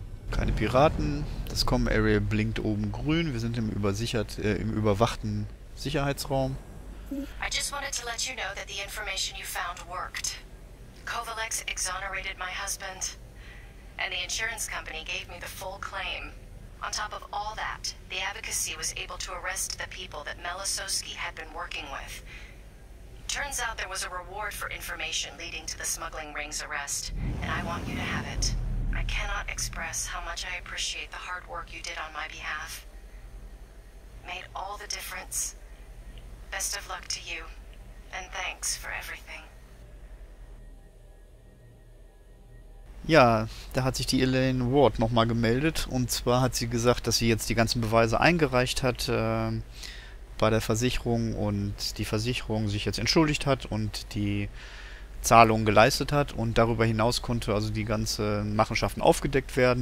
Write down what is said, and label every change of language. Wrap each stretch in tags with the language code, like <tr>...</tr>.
<de>Keine Piraten, das Com-Area blinkt oben grün, wir sind im überwachten Sicherheitsraum.</de> <en>I just wanted to let you know that the information you found worked. Kovalex exonerated my husband, and the insurance company gave me the full claim. On top of all that, the advocacy was able to arrest the people that Melisowski had been working with. Turns out there was a reward for information leading to the smuggling ring's arrest, and I want you to have it. I cannot express how much I appreciate the hard work you did on my behalf. Made all the difference. Best of luck to you, and thanks for everything.</en> <de>Ja, da hat sich die Elaine Ward nochmal gemeldet. Und zwar hat sie gesagt, dass sie jetzt die ganzen Beweise eingereicht hat bei der Versicherung und die Versicherung sich jetzt entschuldigt hat und die Zahlungen geleistet hat und darüber hinaus konnte also die ganze Machenschaften aufgedeckt werden.</de>